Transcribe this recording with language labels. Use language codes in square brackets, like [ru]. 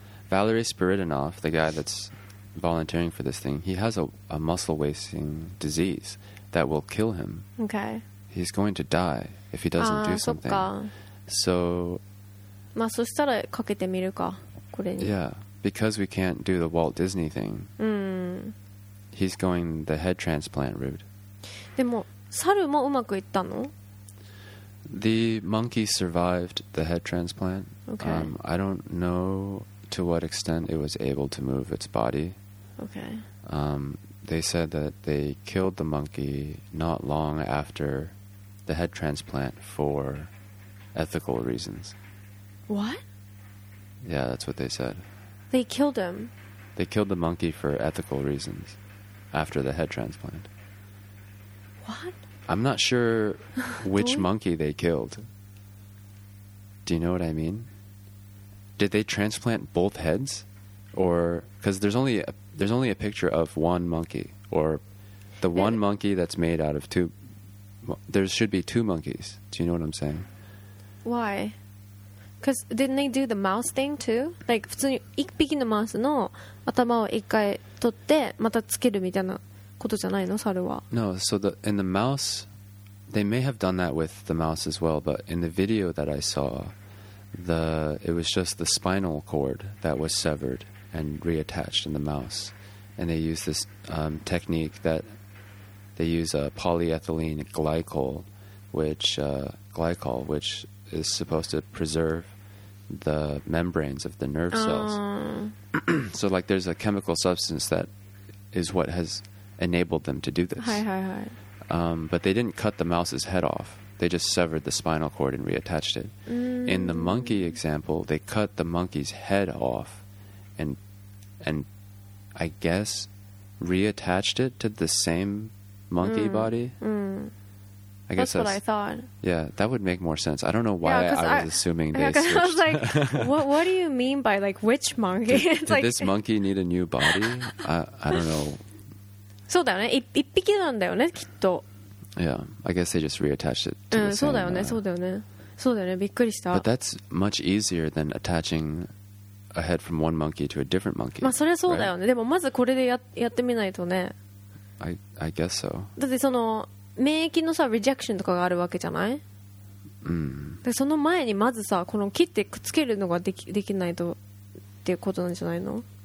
[en] Valery Spiridonov, the guy that's volunteering for this thing, he has a muscle wasting disease that will kill him. Okay. He's going to die if he doesn't do something. [ja] そっか。So. まあそしたらかけてみるか、これに。 [en] Yeah. Because we can't do the Walt Disney thing, he's going the head transplant route. [ja] でも、猿もうまくいったの? [en] The monkey survived the head transplant. Okay. I don't know to what extent it was able to move its body. Okay. They said that they killed the monkey not long after the head transplant for ethical reasons. What? Yeah, that's what they said. They killed him. They killed the monkey for ethical reasons after the head transplant. What? I'm not sure which monkey they killed. Do you know what I mean? Did they transplant both heads? Or, because there's only a picture of one monkey, or the one monkey that's made out of two. There should be two monkeys. Do you know what I'm saying? Why? Because didn't they do the mouse thing too? [ja] Like, 普通に一匹のマウスの頭を一回取ってまたつけるみたいなことじゃないの、それは。 [en] No, so in the mouse, they may have done that with the mouse as well, but in the video that I saw, it was just the spinal cord that was severed and reattached in the mouse. And they use this technique that they use a polyethylene glycol, which is supposed to preserve the membranes of the nerve cells. So like there's a chemical substance that is what has enabled them to do this. Hi, hi, hi. But they didn't cut the mouse's head off. They just severed the spinal cord and reattached it. Mm. In the monkey example, they cut the monkey's head off and I guess reattached it to the same monkey body. I guess that's what I thought. Yeah, that would make more sense. I don't know why I was assuming they switched. I was like, what do you mean by like which monkey? Did like, this monkey need a new body? I don't know. [ja] そうだよね。一匹なんだよね、きっと。 [en] Yeah, I guess they just reattached it to the same. [ja] うん、そうだよね、そうだよね。そうだよね、びっくりした。 [en] But that's much easier than attaching a head from one monkey to a different monkey. [ja] まあ、それはそうだよね。 [en] Right? [ja] でも、まずこれでやってみないとね。 [en] I guess so. [ja] だって、その、免疫のさ、rejection とかがあるわけじゃない？うん。で、その前にまずさ、この切ってくっつけるのができないとっていうことなんじゃないの？